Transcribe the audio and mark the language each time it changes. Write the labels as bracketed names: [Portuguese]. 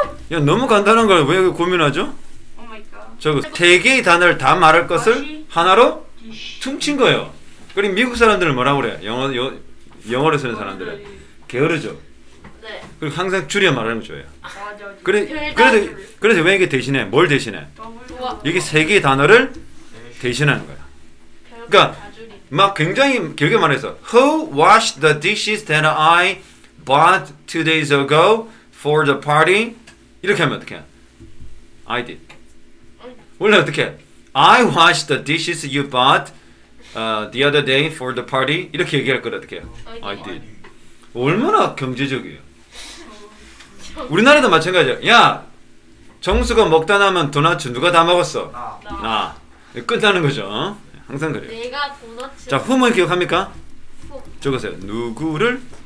[Korean] 야, 너무 간단한 걸 왜 고민하죠? 저거 세 개의 단어를 다 말할 것을 하나로 퉁친 거예요. 그리고 미국 사람들은 뭐라고 그래? 영어를 쓰는 사람들은 게으르죠. 네. 그리고 항상 줄여 말하는 거예요. 맞아. 그래, 그래서 왜 이게 대신해? 뭘 대신해? 이게 세 개의 단어를 대신하는 거야. 그러니까 막 굉장히 길게 말해서 [English] Who washed the dishes that I bought 2 days ago for the party? [Korean] 이렇게 하면 어떡해? [English] I did. [Korean] 원래 어떻게? [English] I washed the dishes you bought the other day for the party. [Korean] 이렇게 얘기할 거라 어떻게? [English] I did. [Korean] 얼마나 경제적이에요. 우리나라도 마찬가지야. 야, 정수가 먹다 남은 도넛 누가 다 먹었어? 나. 나. 끝나는 거죠. 항상 그래요. 내가 도넛. 자, 훔을 기억합니까? 적으세요. 누구를?